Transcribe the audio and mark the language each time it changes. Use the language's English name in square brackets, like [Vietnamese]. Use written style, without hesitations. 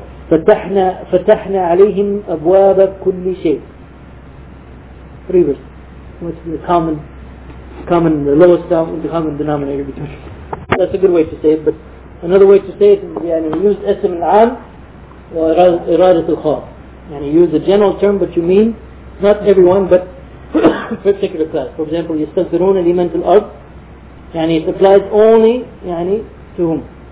[Arabic] فتحنا عليهم أبواب كل شيء. [English] Three verses. What's the common, the lowest down, the common denominator between. That's a good way to say it, but another way to say it is, يعني use [Arabic] اسم العام وإرادة الخاص. [English] And you use a general term, but you mean not everyone, but particular class. For example, [Arabic] يستغفرون لمن في الأرض. [English] يعني it applies only يعني to whom?